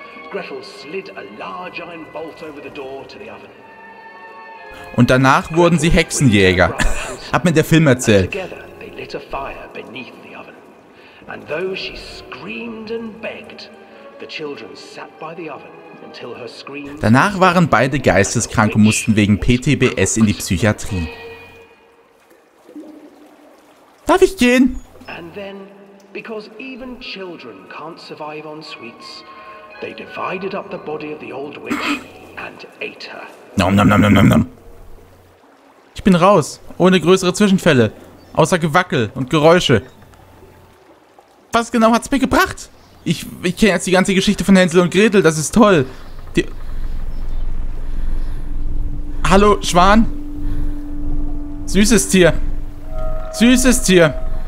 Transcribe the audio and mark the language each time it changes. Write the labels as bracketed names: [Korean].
[English] Gretel slid a large iron bolt over the door to the oven. [German] Und danach wurden sie Hexenjäger. Hat mir der Film erzählt. [English] Together they lit a fire beneath the oven. And though she screamed and begged, the children sat by the oven until her scream. [German] Danach waren beide geisteskrank und mussten wegen PTBS in die Psychiatrie. Darf ich gehen? [English] And then because even children can't survive on sweets, they divided up the body of the old witch and ate her. Nom nom nom nom nom nom. [German] Ich bin raus, ohne größere Zwischenfälle, außer Gewackel und Geräusche. Was genau hat's mir gebracht? Ich kenne jetzt die ganze Geschichte von Hänsel und Gretel, das ist toll. Die Hallo, Schwan? Süßes Tier. Süßes Tier.